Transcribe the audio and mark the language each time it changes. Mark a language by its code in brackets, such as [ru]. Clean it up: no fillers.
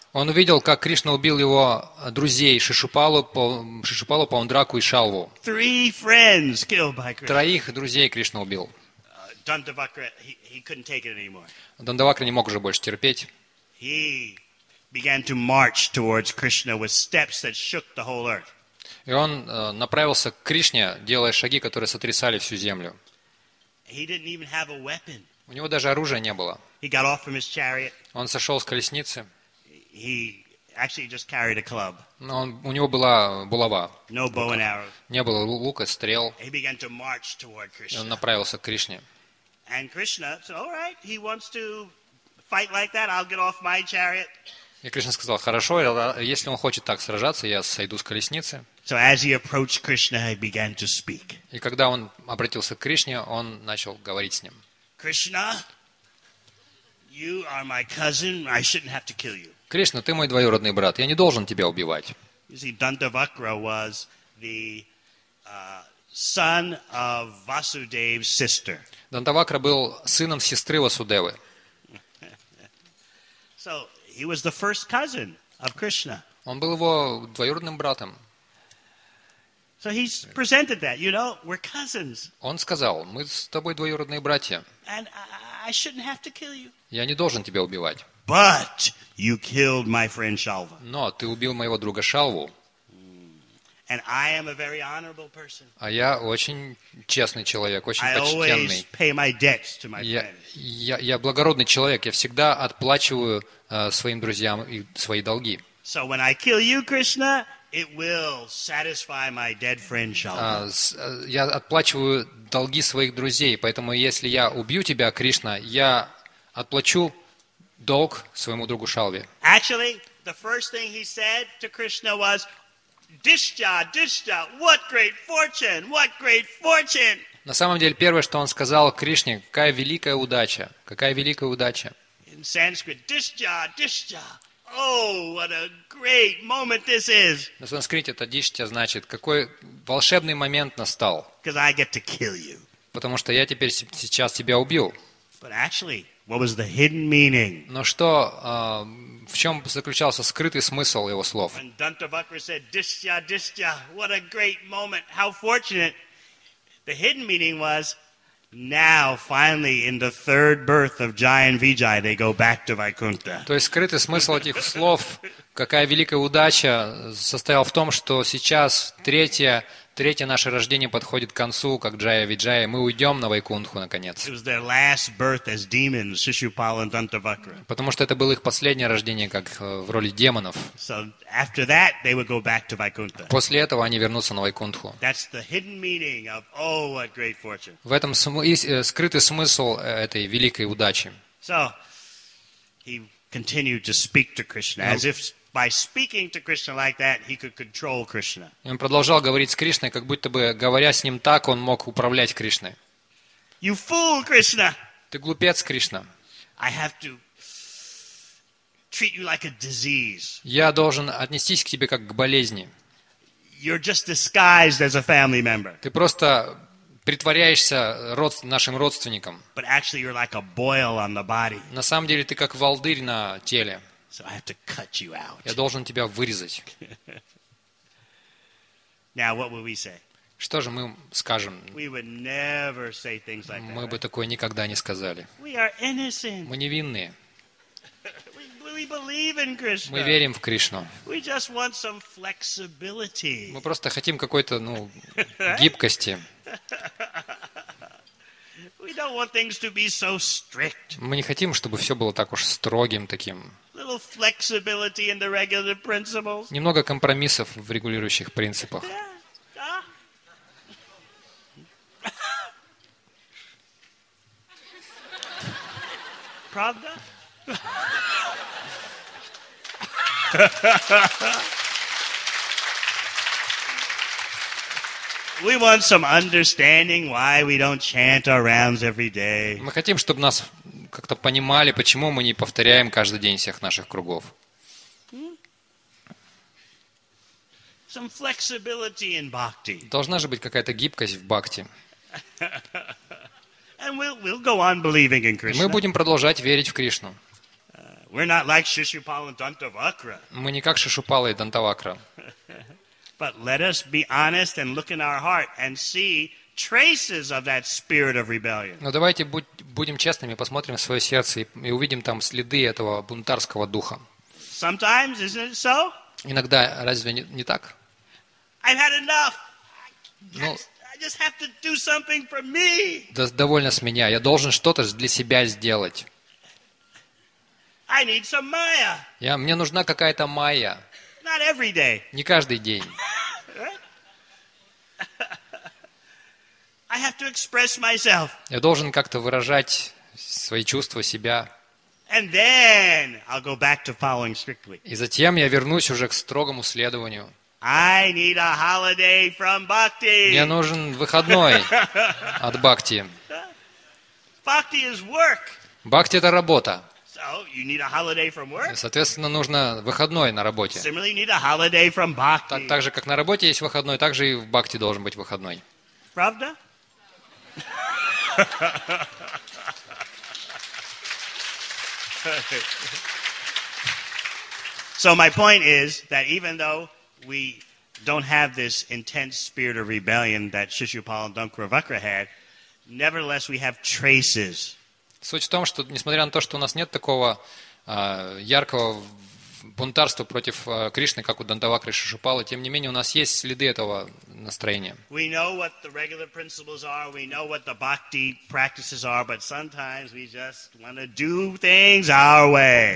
[ru] Он увидел, как Кришна убил его друзей Шишупалу, Паундраку и Шалву. [en] Three friends killed by Krishna. [ru] Троих друзей Кришна убил. [en] Дандавакра, he couldn't take it anymore. [ru] Дандавакра не мог уже больше терпеть. [en] He began to march towards Krishna with steps that shook the whole earth. [ru] И он направился к Кришне, делая шаги, которые сотрясали всю землю. [en] He didn't even have a weapon. [ru] У него даже оружия не было. [en] He got off from his chariot. [ru] Он сошел с колесницы. [en] He actually just carried a club. [ru] Но он, у него была булава. [en] No bow and arrow. [ru] Не было лука, стрел. [en] He began to march toward Krishna. [ru] И он направился к Кришне. [en] And Krishna said, "All right, he wants to fight like that. I'll get off my chariot." [ru] И Кришна сказал: "Хорошо, если он хочет так сражаться, я сойду с колесницы." [en] So as he approached Krishna, he began to speak. [ru] И когда он обратился к Кришне, он начал говорить с ним. [en] Krishna, you are my cousin. I shouldn't have to kill you. [ru] Кришна, ты мой двоюродный брат. Я не должен тебя убивать. [en] You see, Дантавакра was the son of Vasudeva's sister. [ru] Дантавакра был сыном сестры Васудевы. [en] So he was the first cousin of Krishna. [ru] Он был его двоюродным братом. [en] So he presented that, you know, we're cousins. [ru] Он сказал: "Мы с тобой двоюродные братья." [en] And I shouldn't have to kill you. [ru] Я не должен тебя убивать. [en] But you killed my friend Shalva. [ru] Но ты убил моего друга Шалву. [en] And I am a very honorable person. [ru] А я очень честный человек, очень почтенный. [en] I always pay my debts to my friends. [ru] Я благородный человек, я всегда отплачиваю своим друзьям и свои долги. [en] So when I kill you, Krishna, it will satisfy my dead friend Shalva. [ru] Я отплачиваю долги своих друзей, поэтому если я убью тебя, Кришна, я отплачу долг своему другу Шалве. [en] Actually, the first thing he said to Krishna was, Дишча, Дишча, what great fortune, what great fortune. [ru] На самом деле, первое, что он сказал Кришне, какая великая удача, какая великая удача. [en] In Sanskrit, Дишча, Дишча, oh, what a great moment this is. [ru] На санскрите это Дишча значит, какой волшебный момент настал. [en] Because I get to kill you. [ru] Потому что я теперь сейчас тебя убью. [en] But actually, what was the hidden meaning? [ru] Но что, в чем заключался скрытый смысл его слов? [en] When Дантавакра said, "Дисья, дисья, what a great moment, how fortunate!" The hidden meaning was, now finally in the third birth of Jaya and Vijaya, they go back to Vaikuntha. [ru] То есть скрытый смысл этих слов, какая великая удача, состоял в том, что сейчас третье наше рождение подходит к концу, как Джая Виджая, мы уйдем на Вайкунтху, наконец. [en] It was their last birth as demons, Шишупал and Дантавакра. [ru] Потому что это было их последнее рождение, как в роли демонов. [en] So after that, they would go back to Vaikuntha. [ru] После этого они вернутся на Вайкунтху. [en] That's the hidden meaning of, oh, what great fortune. [ru] В этом скрытый смысл этой великой удачи. [en] So, he continued to speak to Krishna, as if by speaking to Krishna like that, he could control Krishna. [ru] Он продолжал говорить с Кришной, как будто бы говоря с ним так, он мог управлять Кришной. [en] You fool, Krishna. [ru] Ты глупец, Кришна. [en] I have to treat you like a disease. [ru] Я должен отнестись к тебе как к болезни. [en] You're just disguised as a family member. [ru] Ты просто притворяешься нашим родственником. [en] But actually, you're like a boil on the body. [ru] На самом деле, ты как волдырь на теле. [en] So I have to cut you out. [ru] Я должен тебя вырезать. [en] Now what would we say? [ru] Что же мы скажем? [en] We would never say things like that. [ru] Мы бы такое никогда не сказали. [en] We are innocent. [ru] Мы невинные. [en] We believe in Krishna. [ru] Мы верим в Кришну. [en] We just want some flexibility. [ru] Мы просто хотим какой-то, ну, гибкости. [en] We don't want things to be so strict. [ru] Мы не хотим, чтобы все было так уж строгим таким. [en] Little flexibility in the regular principles. [ru] Немного компромиссов в регулирующих принципах. Правда? [en] We want some understanding why we don't chant our rounds every day. [ru] Мы хотим, чтобы нас как-то понимали, почему мы не повторяем каждый день всех наших кругов. [en] Some flexibility in bhakti. [ru] Должна же быть какая-то гибкость в бхакти. [en] And we'll go on believing in Krishna. [ru] Мы будем продолжать верить в Кришну. [en] We're not like Шишупал and Дантавакра. [ru] Мы не как Шишупала и Дантавакра. [en] But let us be honest and look in our heart and see traces of that spirit of rebellion. [ru] Но давайте будем честными, посмотрим в свое сердце и увидим там следы этого бунтарского духа. [en] Sometimes, isn't it so? [ru] Иногда, разве не так? [en] I've had enough. I just have to do something for me. [ru] Довольно с меня. Я должен что-то для себя сделать. [en] I need some Maya. [ru] Мне нужна какая-то Maya. [en] Not every day. [ru] Не каждый день. [en] I have to express myself. [ru] Я должен как-то выражать свои чувства, себя. [en] And then I'll go back to following strictly. [ru] И затем я вернусь уже к строгому следованию. [en] I need a holiday from bhakti. [ru] Мне нужен выходной от бхакти. [en] Bhakti is work. [ru] Бхакти — это работа. [en] So you need a holiday from work. [ru] Соответственно, нужно выходной на работе. [en] Similarly, you need a holiday from bhakti. [ru] Так же, как на работе есть выходной, так же и в бхакти должен быть выходной. Правда? [en] So my point is that even though we don't have this intense spirit of rebellion that Shishupal and Dantavakra had, nevertheless we have traces. [ru] Суть в том, что несмотря на то, что у нас нет такого яркого бунтарства против Кришны, как у Дантавакры и Шишупалы, тем не менее у нас есть следы этого настроения. [en] We know what the regular principles are, we know what the bhakti practices are, but sometimes we just want to do things our way.